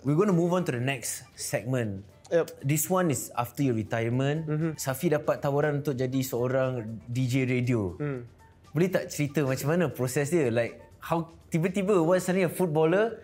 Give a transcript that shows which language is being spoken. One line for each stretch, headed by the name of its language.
English: We're going to move on to the next segment. Yep. This one is after your retirement. Mm-hmm.
Malay: Safi dapat tawaran untuk jadi seorang DJ radio. Mm. Boleh tak cerita macam mana proses dia?
English: Like how
Malay: tiba-tiba
English: one suddenly a footballer,